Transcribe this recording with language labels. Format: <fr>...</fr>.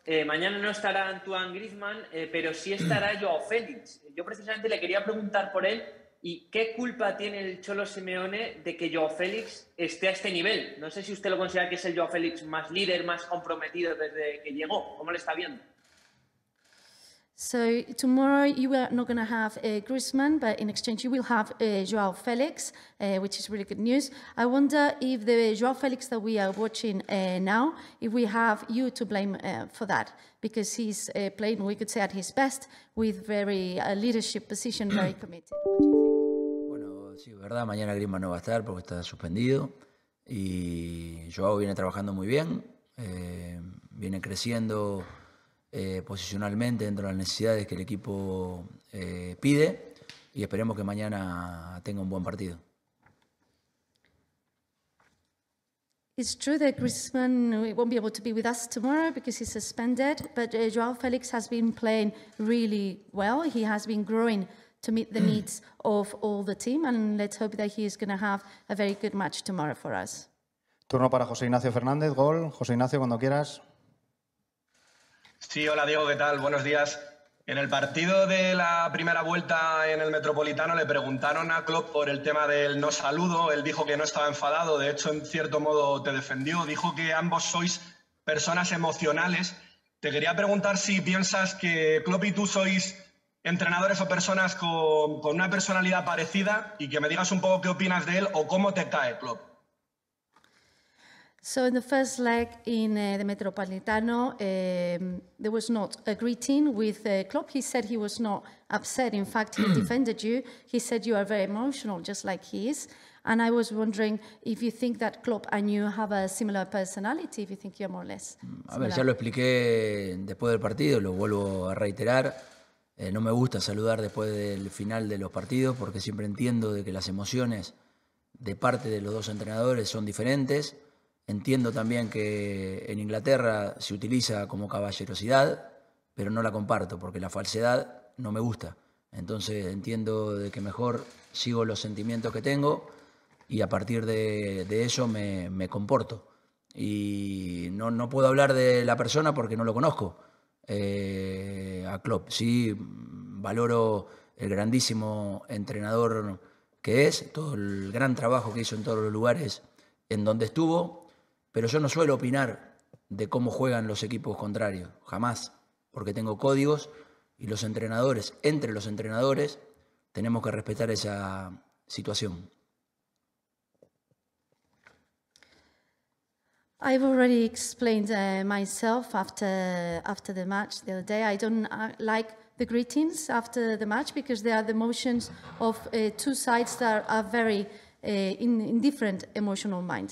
<es>Mañana no estará Antoine Griezmann, pero sí estará Joao Félix. Yo precisamente le quería preguntar por él. ¿Y qué culpa tiene el Cholo Simeone de que Joao Félix esté a este nivel? No sé si usted lo considera que es el Joao Félix más líder, más comprometido desde que llegó. ¿Cómo le está viendo?</es> <en>So tomorrow you are not going to have Griezmann, but in exchange you will have Joao Félix, which is really good news. I wonder if the Joao Félix that we are watching now, if we have you to blame for that, because he's playing, we could say, at his best, with very leadership position, very committed. What do you think?</en> <es>Bueno, sí, verdad. Mañana Griezmann no va a estar porque está suspendido, y Joao viene trabajando muy bien, viene creciendo. Posicionalmente dentro de las necesidades que el equipo pide, y esperemos que mañana tenga un buen partido.</es> <en>It's true that Griezmann won't be able to be with us tomorrow because he's suspended, but Joao Félix has been playing really well. He has been growing to meet the needs of all the team, and let's hope that he is going to have a very good match tomorrow for us.</en> <es>Turno para José Ignacio Fernández, gol. José Ignacio, cuando quieras. Sí, hola Diego, ¿qué tal? Buenos días. En el partido de la primera vuelta en el Metropolitano le preguntaron a Klopp por el tema del no saludo. Él dijo que no estaba enfadado, de hecho en cierto modo te defendió. Dijo que ambos sois personas emocionales. Te quería preguntar si piensas que Klopp y tú sois entrenadores o personas con una personalidad parecida, y que me digas un poco qué opinas de él o cómo te cae Klopp.</es> <en>So in the first leg in the Metropolitano, there was not a greeting with Klopp. He said he was not upset. In fact, he defended you. He said you are very emotional, just like he is. And I was wondering if you think that Klopp and you have a similar personality, if you think you're more or less similar.</en> <es>A ver, ya lo expliqué después del partido, lo vuelvo a reiterar. No me gusta saludar después del final de los partidos, porque siempre entiendo de que las emociones de parte de los dos entrenadores son diferentes. Entiendo también que en Inglaterra se utiliza como caballerosidad, pero no la comparto porque la falsedad no me gusta. Entonces entiendo de que mejor sigo los sentimientos que tengo y a partir de eso me comporto. Y no puedo hablar de la persona porque no lo conozco, a Klopp. Sí, valoro el grandísimo entrenador que es, todo el gran trabajo que hizo en todos los lugares en donde estuvo. Pero yo no suelo opinar de cómo juegan los equipos contrarios, jamás, porque tengo códigos y los entrenadores, entre los entrenadores, tenemos que respetar esa situación.</es> <en>I've already explained myself after the match the other day. I don't like the greetings after the match because they are the emotions of two sides that are very in different emotional minds.</en>